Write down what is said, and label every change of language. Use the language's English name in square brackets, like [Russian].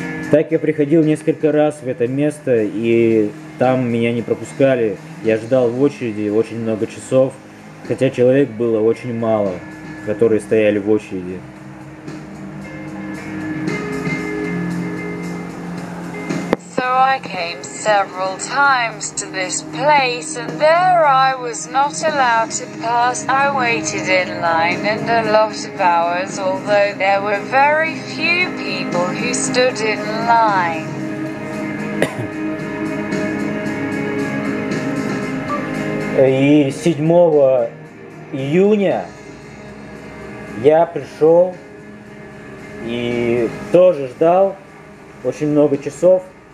[Russian] Так я приходил несколько раз в это место, и там меня не пропускали. Я ждал в очереди очень много часов, хотя человек было очень мало, которые стояли в очереди. [English] So I came several times to this place, and there I was not allowed to pass. I waited in line and a lot of hours, although there were very few people who stood in line. [Russian] И 7 июня я пришел и тоже ждал очень много часов.